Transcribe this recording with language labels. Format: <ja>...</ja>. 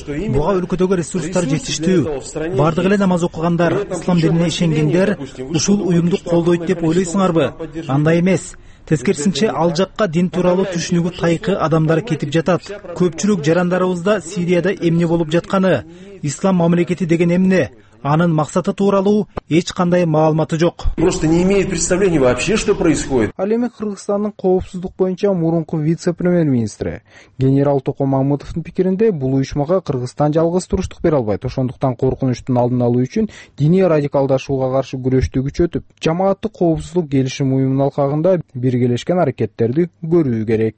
<ky>Буга өлкөдөгү ресурстар жетиштүү. Бардыгы эле намаз окугандар, ислам дине ишенгендер ушул уюмду колдойт деп ойлойсуңарбы? Андай эмес. Тескерисинче, ал жакка дин тууралуу түшүнүгү тайкы адамдар кетип жатат. Көпчүлүк жарандарыбызда Сирияда эмне болуп жатканы, ислам мамлекети деген эмне, анын максаты тууралуу эч кандай маалыматы жок.</ky> <ru>Просто не имеет представления вообще, что происходит.</ru> <ky>Ал эми Кыргызстандын коопсуздук боюнча мурунку вице-премьер-министри генерал Токо Мамытовдун пикиринде, бул уюшмага Кыргызстан жалгыз туруштук бере албайт. Ошондуктан коркунучтун алдын алуу үчүн диний радикалдашууга каршы күрөштү күчөтүп, жамааттык коопсуздук келишим уюмунун алкагында биргелешкен аракеттерди көрүү керек.</ky>